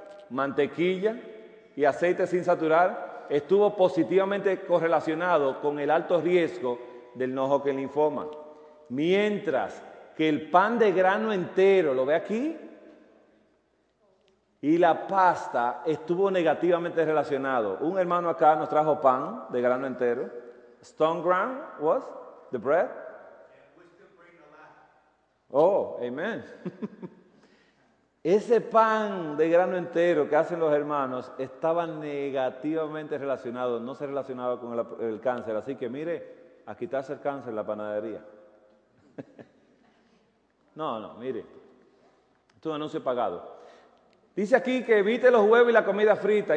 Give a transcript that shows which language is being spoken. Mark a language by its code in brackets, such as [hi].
[es] mantequilla y aceite sin saturar estuvo positivamente correlacionado con el alto riesgo del no-Hodgkin linfoma. Mientras que el pan de grano entero, ¿lo ve aquí? Y la pasta estuvo negativamente relacionado. Un hermano acá nos trajo pan de grano entero. [en] Stone gram was the bread. Oh, amen. [es] Ese pan de grano entero que hacen los hermanos estaba negativamente relacionado, no se relacionaba con el cáncer. Así que mire, a quitarse el cáncer en la panadería. No, mire. Esto es un anuncio pagado. Dice aquí que evite los huevos y la comida frita.